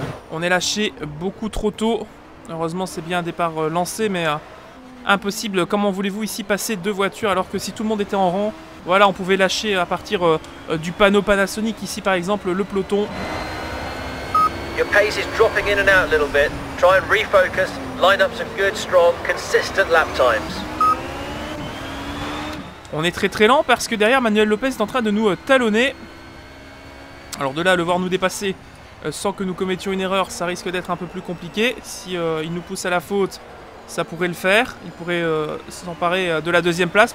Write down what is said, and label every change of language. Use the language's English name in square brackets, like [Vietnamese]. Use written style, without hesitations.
[French] On est lâché beaucoup trop tôt. Heureusement, c'est bien un départ lancé, mais impossible. Comment voulez-vous ici passer deux voitures alors que si tout le monde était en rang, voilà, on pouvait lâcher à partir du panneau Panasonic ici par exemple, le peloton. [English] Your pace is dropping in and out a little bit. Try and refocus, line up some good, strong, consistent lap times. [French] On est très très lent parce que derrière, Manuel Lopez est en train de nous talonner. Alors de là, le voir nous dépasser sans que nous commettions une erreur, ça risque d'être un peu plus compliqué. Si il nous pousse à la faute, ça pourrait le faire. Il pourrait s'emparer de la deuxième place.